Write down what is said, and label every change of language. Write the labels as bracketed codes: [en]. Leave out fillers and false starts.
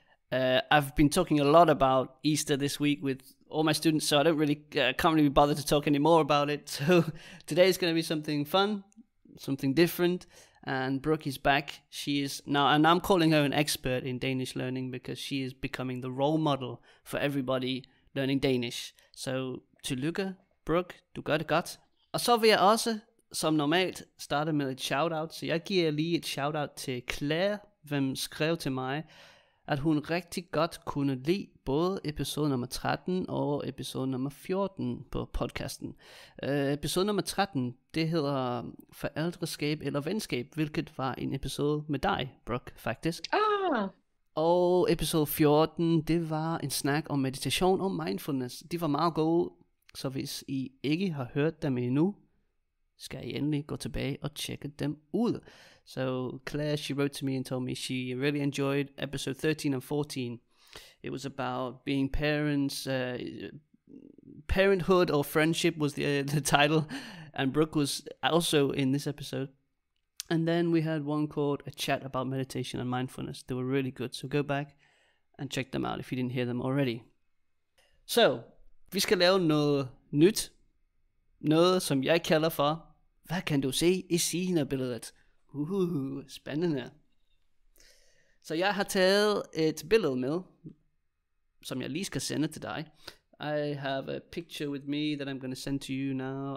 [en] I've been talking a lot about Easter this week with all my students, so I don't really, can't really be bothered to talk anymore about it. So today is going to be something fun, something different, and Brooke is back. She is now, and I'm calling her an expert in Danish learning because she is becoming the role model for everybody learning Danish. [da] So tillykke, Brooke, du gør det godt. Og så vil jeg også, som normalt, starte med et shout-out. Så jeg giver lige et shout-out til Claire, hvem skrev til mig, at hun rigtig godt kunne lide både episode nummer 13 og episode nummer 14 på podcasten. Episode nummer 13, det hedder Forældreskab eller Venskab, hvilket var en episode med dig, Brooke, faktisk. Ah. Og episode 14, det var en snak om meditation og mindfulness. De var meget gode, så hvis I ikke har hørt dem endnu, skal I endelig gå tilbage og tjekke dem ud. [en] So Claire, she wrote to me and told me she really enjoyed episode 13 and 14. It was about being parents, parenthood or friendship was the title. And Brooke was also in this episode. And then we had one called A Chat About Meditation and Mindfulness. They were really good. So go back and check them out if you didn't hear them already. [da] So, vi skal lave noget nyt. Noget, som jeg kalder for, hvad kan du se i scenebilledet? Spændende. Så jeg har taget et billede med, som jeg lige skal sende til dig. [en] I have a picture with me that I'm going to send to you now.